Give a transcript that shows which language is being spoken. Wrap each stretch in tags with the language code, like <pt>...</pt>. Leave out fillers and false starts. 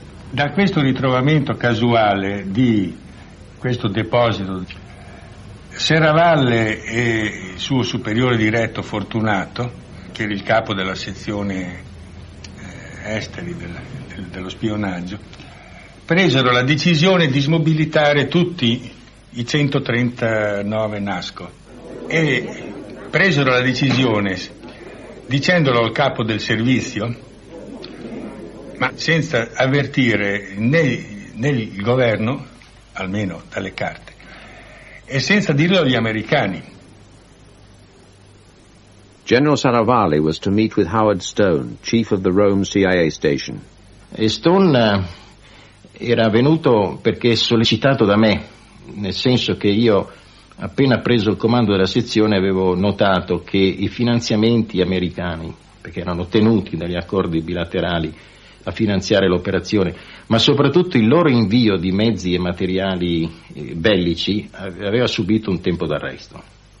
<it>Da questo ritrovamento casuale di questo deposito, Serravalle e il suo superiore diretto Fortunato, che era il capo della sezione esteri dello spionaggio, presero la decisione di smobilitare tutti i 139 NASCO e presero la decisione dicendolo al capo del servizio, ma senza avvertire né il governo, almeno dalle carte, e senza dirlo agli americani.</it> <en>General Serravalle was to meet with Howard Stone, chief of the Rome CIA station.</en> <it>E Stone era venuto perché sollecitato da me, nel senso che io, appena preso il comando della sezione, avevo notato che i finanziamenti americani, perché erano tenuti dagli accordi bilaterali a finanziare l'operazione, ma soprattutto il loro invio di mezzi e materiali bellici, aveva subito un tempo d'arresto.</it>